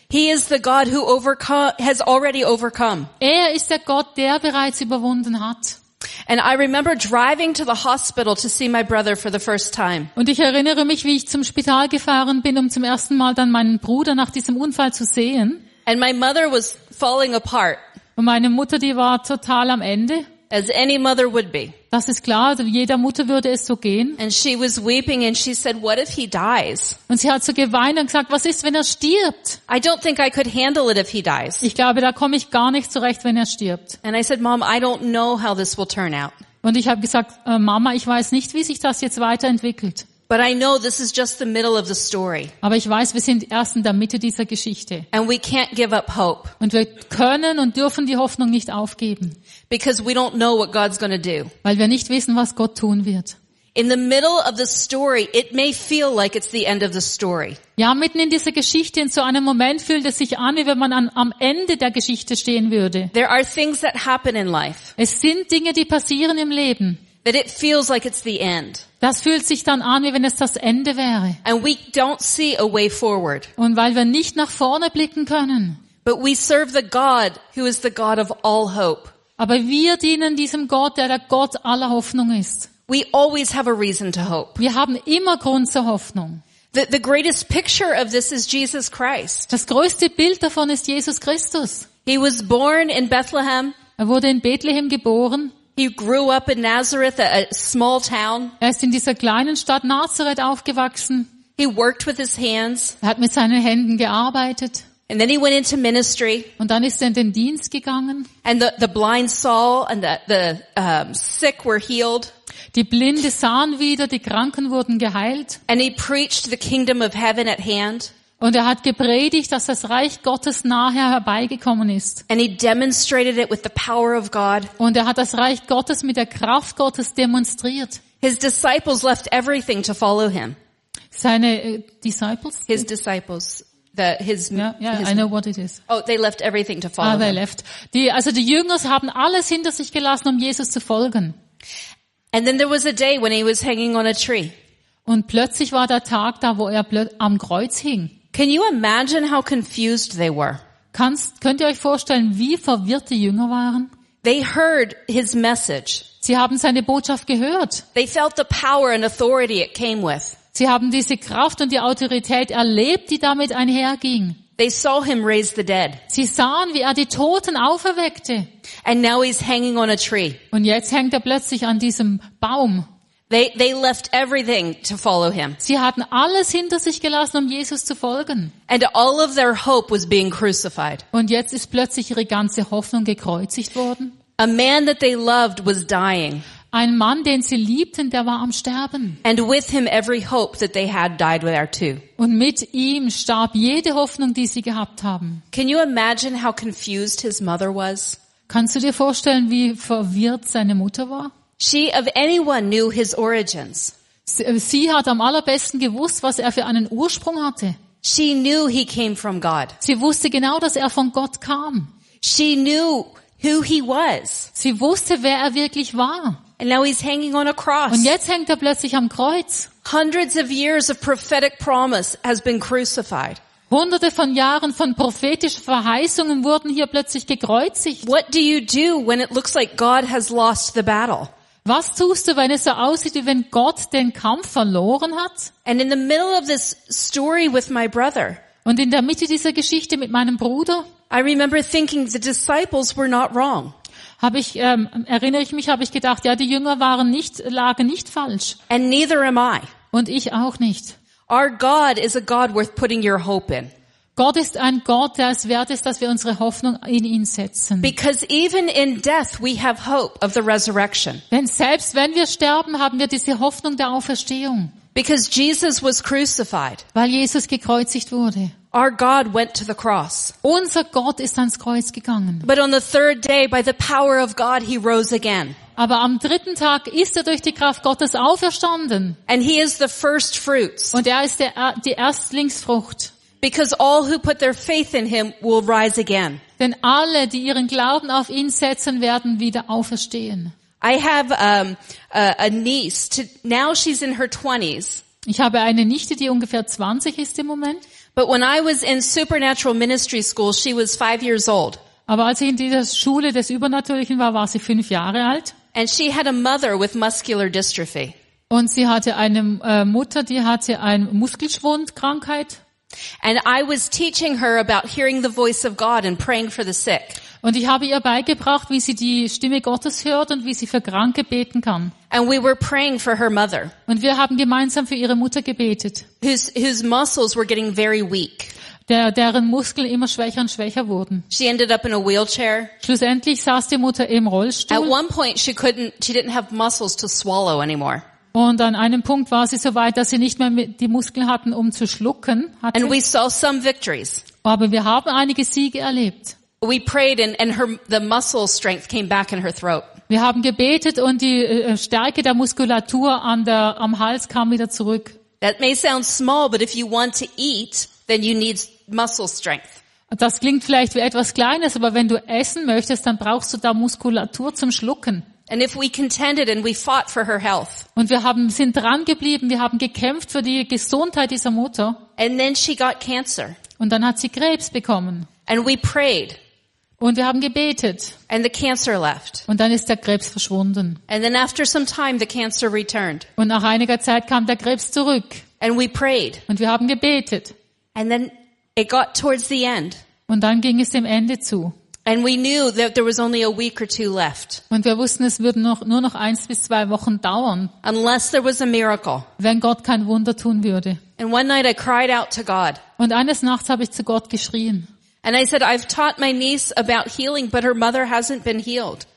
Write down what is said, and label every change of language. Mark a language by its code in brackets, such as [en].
[en] He is the God who has already overcome. [de] Er ist der Gott, der bereits überwunden hat. [en] And I remember driving to the hospital to see my brother for the first time. [de] Und ich erinnere mich, wie ich zum Spital gefahren bin, um zum ersten Mal dann meinen Bruder nach diesem Unfall zu sehen. [en] And my mother was falling apart. [de] Und meine Mutter, die war total am Ende. [en] As any mother would be. [de] Das ist klar, jeder Mutter würde es so gehen. [en] And she was weeping and she said, what if he dies? [de] Und sie hat so geweint und gesagt, was ist, wenn er stirbt? [en] I don't think I could handle it if he dies. [de] Ich glaube, da komme ich gar nicht zurecht, wenn er stirbt. [en] And I said, Mom, I don't know how this will turn out. [de] Und ich habe gesagt, Mama, ich weiß nicht, wie sich das jetzt weiterentwickelt. [en] But I know this is just the middle of the story. [de] Aber ich weiß, wir sind erst in der Mitte dieser Geschichte. [en] And we can't give up hope. [de] Und wir können und dürfen die Hoffnung nicht aufgeben. [en] Because we don't know what God's going to do. [de] Weil wir nicht wissen, was Gott tun wird. [en] In the middle of the story, it may feel like it's the end of the story. [de] Ja, mitten in dieser Geschichte, in so einem Moment fühlt es sich an, wie wenn man am Ende der Geschichte stehen würde. [en] There are things that happen in life. [de] Es sind Dinge, die passieren im Leben. [en] That it feels like it's the end. [de] Das fühlt sich dann an, wie wenn es das Ende wäre. [en] And we don't see a way forward. [de] Und weil wir nicht nach vorne blicken können. [en] But we serve the God who is the God of all hope. [de] Aber wir dienen diesem Gott, der Gott aller Hoffnung ist. [en] We always have a reason to hope. [de] Wir haben immer Grund zur Hoffnung. [en] The greatest picture of this is Jesus Christ. [de] Das größte Bild davon ist Jesus Christus. [en] He was born in Bethlehem. [de] Er wurde in Bethlehem geboren. [en] He grew up in Nazareth, a small town. [de] Er ist in dieser kleinen Stadt Nazareth aufgewachsen. [en] He worked with his hands. [de] Er hat mit seinen Händen gearbeitet. [en] And then he went into ministry. [de] Und dann ist er in den Dienst gegangen. [en] And the blind saw and the sick were healed. [de] Die Blinde sahen wieder, die Kranken wurden geheilt. [en] And he preached the kingdom of heaven at hand. [de] Und er hat gepredigt, dass das Reich Gottes nahe herbeigekommen ist. [en] And he demonstrated it with the power of God. [de] Und er hat das Reich Gottes mit der Kraft Gottes demonstriert. [en] His disciples left everything to follow him. [de] Seine Disciples? [en] His disciples. I know what it is. Oh, they left everything to follow him. They left. [de] Die Jünger haben alles hinter sich gelassen, um Jesus zu folgen. [en] And then there was a day when he was hanging on a tree. [de] Und plötzlich war der Tag da, wo er am Kreuz hing. [en] Can you imagine how confused they were? [de] Könnt ihr euch vorstellen, wie verwirrt die Jünger waren? [en] They heard his message. [de] Sie haben seine Botschaft gehört. [en] They felt the power and authority it came with. [de] Sie haben diese Kraft und die Autorität erlebt, die damit einherging. [en] They saw him raise the dead. [de] Sie sahen, wie er die Toten auferweckte. [en] And now he's hanging on a tree. [de] Und jetzt hängt er plötzlich an diesem Baum. [en] They left everything to follow him. [de] Sie hatten alles hinter sich gelassen, um Jesus zu folgen. [en] And all of their hope was being crucified. [de] Und jetzt ist plötzlich ihre ganze Hoffnung gekreuzigt worden. [en] A man that they loved was dying. [de] Ein Mann, den sie liebten, der war am Sterben. [en] And with him every hope that they had died there too. [de] Und mit ihm starb jede Hoffnung, die sie gehabt haben. [en] Can you imagine how confused his mother was? [de] Kannst du dir vorstellen, wie verwirrt seine Mutter war? [en] She of anyone knew his origins. [de] Sie hat am allerbesten gewusst, was er für einen Ursprung hatte. [en] She knew he came from God. [de] Sie wusste genau, dass er von Gott kam. [en] She knew who he was. [de] Sie wusste, wer er wirklich war. [en] And now he's hanging on a cross. [de] Und jetzt hängt er plötzlich am Kreuz. [en] Hundreds of years of prophetic promise has been crucified. [de] Hunderte von Jahren von prophetischen Verheißungen wurden hier plötzlich gekreuzigt. [en] What do you do when it looks like God has lost the battle? [de] Was tust du, wenn es so aussieht, wie wenn Gott den Kampf verloren hat? [en] And in the middle of this story with my brother. [de] Und in der Mitte dieser Geschichte mit meinem Bruder. [en] I remember thinking the disciples were not wrong. [de] Habe ich gedacht, ja, die Jünger lagen nicht falsch. [en] And neither am I. [de] Und ich auch nicht. [en] Our God is a God worth putting your hope in. [de] Gott ist ein Gott, der es wert ist, dass wir unsere Hoffnung in ihn setzen. [en] Because even in death we have hope of the resurrection. [de] Denn selbst wenn wir sterben, haben wir diese Hoffnung der Auferstehung. [en] Because Jesus was crucified. [de] Weil Jesus gekreuzigt wurde. [en] Our God went to the cross. [de] Unser Gott ist ans Kreuz gegangen. [en] But on the third day, by the power of God, he rose again. [de] Aber am dritten Tag ist durch die Kraft Gottes auferstanden. [en] And he is the first fruits. [de] Und ist die Erstlingsfrucht. [en] Because all who put their faith in him will rise again. [de] Denn alle, die ihren Glauben auf ihn setzen, werden wieder auferstehen. [en] I have a niece. Now she's in her 20s. [de] Ich habe eine Nichte, die ungefähr 20 ist im Moment. [en] But when I was in supernatural ministry school, she was 5 years old. [de] Aber als ich in dieser Schule des Übernatürlichen war, war sie 5 Jahre alt. [en] And she had a mother with muscular dystrophy. [de] Und sie hatte eine Mutter, die hatte eine Muskelschwundkrankheit. [en] And I was teaching her about hearing the voice of God and praying for the sick. [de] Und ich habe ihr beigebracht, wie sie die Stimme Gottes hört und wie sie für Kranke beten kann. [en] And we were praying for her mother. [de] Und wir haben gemeinsam für ihre Mutter gebetet. [en] Whose muscles were getting very weak. [de] Deren Muskeln immer schwächer und schwächer wurden. [en] She ended up in a wheelchair. [de] Schlussendlich saß die Mutter im Rollstuhl. [en] At one point she didn't have muscles to swallow anymore. [de] Und an einem Punkt war sie so weit, dass sie nicht mehr die Muskeln hatten, um zu schlucken. [en] And we saw some victories. [de] Aber wir haben einige Siege erlebt. [en] We prayed and the muscle strength came back in her throat. [de] Wir haben gebetet und die Stärke der Muskulatur am Hals kam wieder zurück. [en] That may sound small, but if you want to eat, then you need muscle strength. [de] Das klingt vielleicht wie etwas Kleines, aber wenn du essen möchtest, dann brauchst du da Muskulatur zum Schlucken. [en] And if we contended and we fought for her health. [de] Und sind dran geblieben, wir haben gekämpft für die Gesundheit dieser Mutter. [en] And then she got cancer. [de] Und dann hat sie Krebs bekommen. [en] And we prayed. [de] Und wir haben gebetet. [en] And the cancer left. [de] Und dann ist der Krebs verschwunden. [en] And then after some time the cancer returned. [de] Und nach einiger Zeit kam der Krebs zurück. [en] And we prayed. [de] Und wir haben gebetet. [en] And then it got towards the end. [de] Und dann ging es dem Ende zu. [en] And we knew that there was only a week or two left. [de] Und wir wussten, es würde nur noch 1 bis 2 Wochen dauern. [en] Unless there was a miracle. [de] Wenn Gott kein Wunder tun würde. [en] And one night I cried out to God. [de] Und eines Nachts habe ich zu Gott geschrien. [en] And I said, I've taught my niece about healing, but her mother hasn't been healed.